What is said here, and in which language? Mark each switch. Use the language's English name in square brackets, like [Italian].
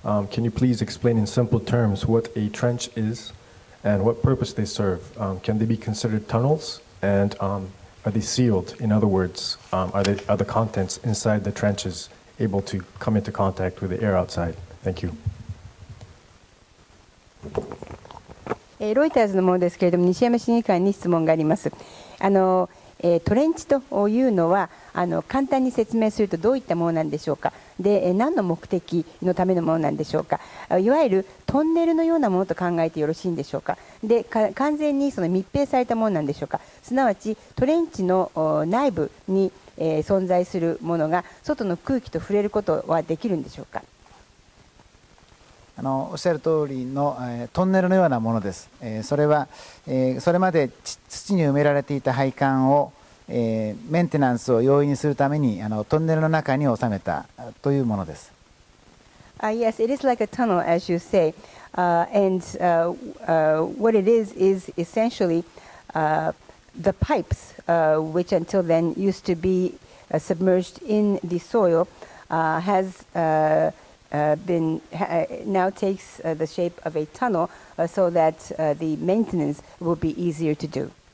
[English] Can you please explain in simple terms what a trench is and what purpose they serve? Can they be considered tunnels? And are they sealed? In other words, are the contents inside the trenches able to come into contact with the air outside? Thank you. [Japanese] ロイターズのものですけれども、西山審議官に質問があります。トレンチというのは簡単に説明するとどういったものなんでしょうか。で、何の目的のためのものなんでしょうか。いわゆるトンネルのようなものと考えてよろしいんでしょうか。で、完全にその密閉されたものなんでしょうか。すなわちトレンチの内部に存在するものが外の空気と触れることはできるんでしょうか。おっしゃる通りのトンネルのようなものです。それはそれまで土に埋められていた配管をメンテナンスを容易にするためにトンネルの中に収めたというものです。 [English] Yes, it is like a tunnel as you say. And what it is essentially the pipes which until then used to be submerged in the soil has now takes the shape of a tunnel so that the maintenance will be easier to do.